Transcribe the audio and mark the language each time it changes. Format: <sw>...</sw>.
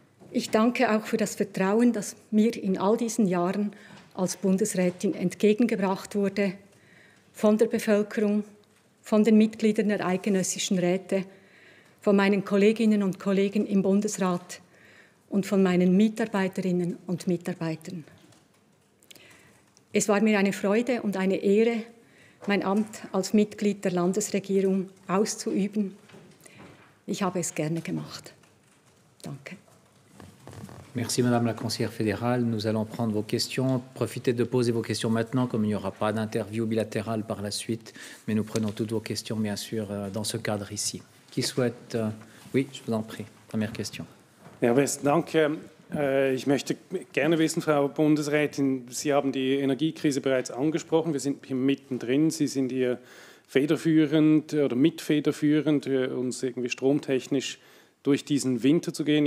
<de>Ich danke auch für das Vertrauen, das mir in all diesen Jahren als Bundesrätin entgegengebracht wurde, von der Bevölkerung, von den Mitgliedern der eidgenössischen Räte, von meinen Kolleginnen und Kollegen im Bundesrat und von meinen Mitarbeiterinnen und Mitarbeitern. Es war mir eine Freude und eine Ehre, mein Amt als Mitglied der Landesregierung auszuüben. Ich habe es gerne gemacht. Danke.</de> <fr>Merci, Madame la Conseillère fédérale. Nous allons prendre vos questions. Profitez de poser vos questions maintenant, comme il n'y aura pas d'interview bilatérale par la suite. Mais nous prenons toutes vos questions, bien sûr, dans ce cadre ici. Qui souhaite... Oui, je vous en prie. Première question.</fr> <de>Ja, besten Dank. Ich möchte gerne wissen, Frau Bundesrätin, Sie haben die Energiekrise bereits angesprochen. Wir sind hier mittendrin. Sie sind hier federführend oder mitfederführend, uns irgendwie stromtechnisch durch diesen Winter zu gehen.</de>